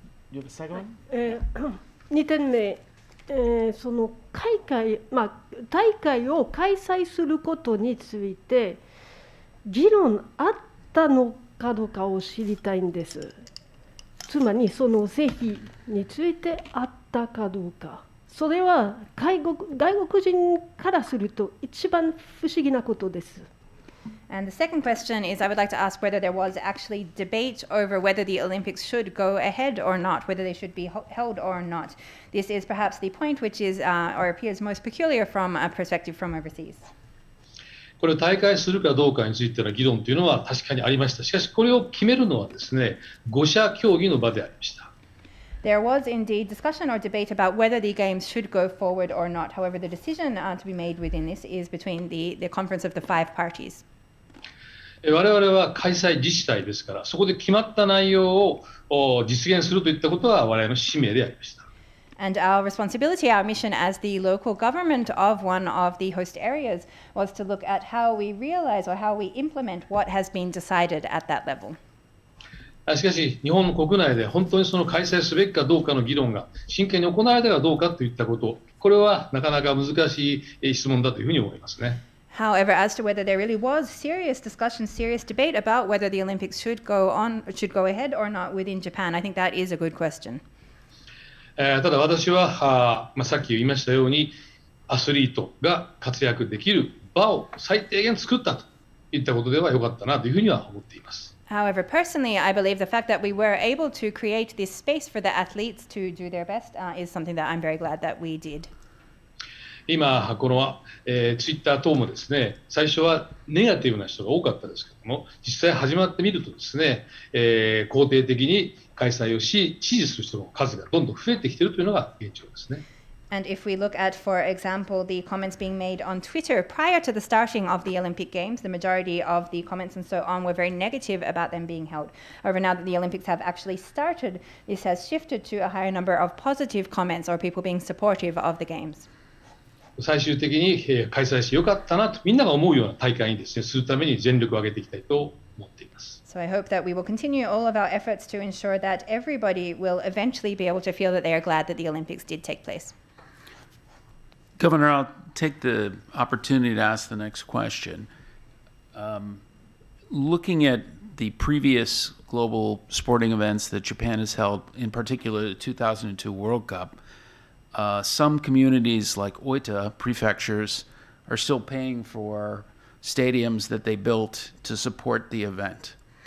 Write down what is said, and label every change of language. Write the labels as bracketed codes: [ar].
[en] You have a second one? [ja] 2点目。その開会、まあ、大会を開催することについて議論あったのかどうかを知りたいんです。つまりその是非についてあったかどうか、それは外国人からすると一番不思議なことです。 [en] And the second question is, I would like to ask whether there was actually debate over whether the Olympics should go ahead or not, whether they should be held or not. This is perhaps the point which is, or appears most peculiar from a perspective from overseas. [ja] これを大会するかどうかについての議論というのは確かにありました。しかしこれを決めるのはですね、五者協議の場でありました。 [en] There was indeed discussion or debate about whether the games should go forward or not. However, the decision to be made within this is between the conference of the five parties. [ja] 我々は開催自治体ですから、そこで決まった内容を実現するといったことは我々の使命でありました。 [en] And our responsibility, our mission as the local government of one of the host areas was to look at how we realize or how we implement what has been decided at that level. [ja] しかし、日本国内で本当にその開催すべきかどうかの議論が真剣に行われたかどうかといったこと、これはなかなか難しい質問だというふうに思いますね。 [en] However, as to whether there really was serious discussion, serious debate about whether the Olympics should go on, should go ahead or not within Japan, I think that is a good question. [ja] ただ私は、まあ、さっき言いましたように、アスリートが活躍できる場を最低限作ったといったことではよかったなというふうには思っています。 [en] However, personally, I believe the fact that we were able to create this space for the athletes to do their best, is something that I'm very glad that we did. [ja] 今この、ツイッター等もですね、最初はネガティブな人が多かったですけども、実際始まってみるとですね、肯定的に開催をし、支持する人の数がどんどん増えてきているというのが現状ですね。 [en] And if we look at, for example, the comments being made on Twitter prior to the starting of the Olympic Games, the majority of the comments and so on were very negative about them being held. However, now that the Olympics have actually started, this has shifted to a higher number of positive comments or people being supportive of the Games. [ja] 最終的に開催してよかったなとみんなが思うような大会にですね、するために全力を挙げていきたいと思っています。 [en] So I hope that we will continue all of our efforts to ensure that everybody will eventually be able to feel that they are glad that the Olympics did take place. Governor, I'll take the opportunity to ask the next question. Looking at the previous global sporting events that Japan has held, in particular the 2002 World Cup, some communities like Oita prefectures are still paying for stadiums that they built to support the event.